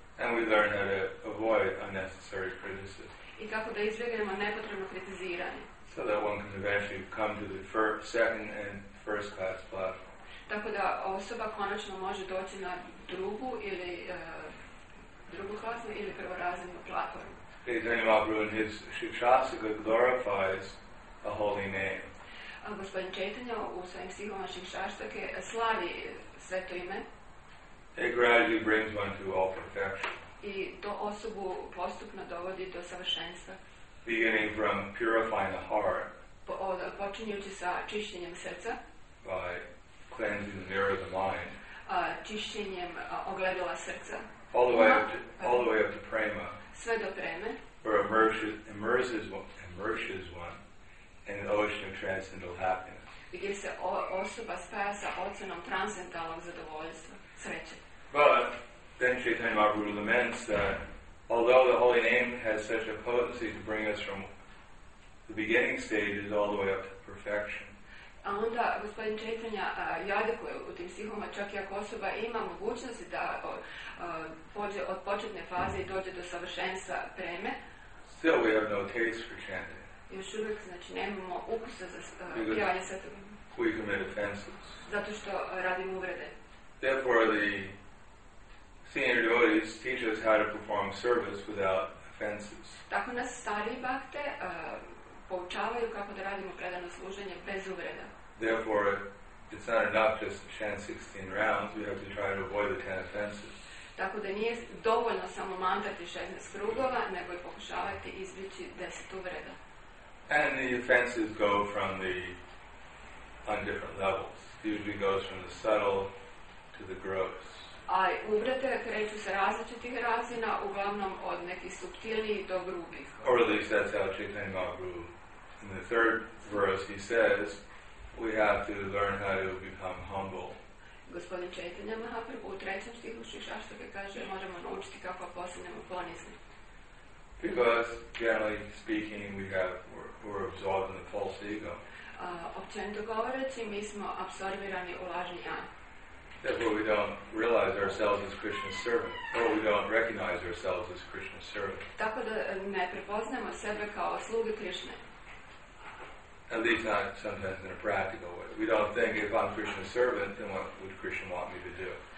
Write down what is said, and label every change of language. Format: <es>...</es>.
<en>And we learn how to avoid unnecessary criticism.</en> <hr>I kako da izbjegnemo nepotrebno kritiziranje.</hr> <en>So that one can eventually come to the second and first class platform.</en> <hr>Tako da osoba konačno može doći na drugu ili drugoklasnu ili prvorazrednu platformu.</hr> <en>Dzogchen Mahaprabhu in his Shikshasika glorifies a holy name.</en> <hr>Gospodin Chaitanya u svojim stihovima Shikshasike slavi sveto ime.</hr> <en>It gradually brings one to all perfection.</en> <hr>I to osobu postupno dovodi do savršenstva.</hr> <en>Beginning from purifying the heart.</en> <hr>Počinjući sa čišćenjem srca.</hr> <en>By cleansing the mirror of the mind.</en> <hr>Čišćenjem ogledala srca.</hr> <en>All the way up to prema.</en> <hr>Sve do preme.</hr> <en>Where immerses one in an ocean of transcendental happiness.</en> <hr>Gdje se osoba spaja sa oceanom transcendentalnog zadovoljstva, sreće.</hr> <en>But then Chaitanya Mahaprabhu laments that although the holy name has such a potency to bring us from the beginning stages all the way up to perfection.</en> <hr>A onda gospodin Chaitanya jadikuje u tim stihovima, čak i ako osoba ima mogućnost da pođe od početne faze i dođe do savršenstva preme.</hr> <en>Still we have no taste for chanting.</en> <hr>Još uvijek, znači, nemamo ukusa za pjevanje sveta.</hr> <en>We commit offenses.</en> <hr>Zato što radimo uvrede.</hr> <en>Therefore the senior devotees teach us how to perform service without offenses.</en> <hr>Tako nas stari bhakte poučavaju kako da radimo predano služenje bez uvreda.</hr> <en>Therefore it's not enough just to chant 16 rounds, we have to try to avoid the 10 offenses.</en> <hr>Tako da nije dovoljno samo mantrati 16 krugova, nego i pokušavati izbjeći 10 uvreda.</hr> <en>And the offenses go from the on different levels. Usually goes from the subtle to the gross.</en> <hr>A uvrede kreću sa različitih razina, uglavnom od nekih suptilnijih do grubih.</hr> <en>Or at least that's how Chaitanya Mahaprabhu in the third verse he says we have to learn how to become humble.</en> <hr>Gospodin Chaitanya Mahaprabhu u trećem stihu Shikshastake kaže moramo naučiti kako postanemo ponizni.</hr> <en>Because generally speaking we have we're absorbed in the false ego.</en> <hr>Općenito govoreći mi smo apsorbirani u lažni ja.</hr> <en>Therefore we don't realize ourselves as Krishna's servant, or we don't recognize ourselves as Krishna's servant.</en> <hr>Tako da ne prepoznamo sebe kao sluge Krishne.</hr> <en>At least not sometimes in a practical way. We don't think if I'm Krishna's servant, then what would Krishna want me to do?</en>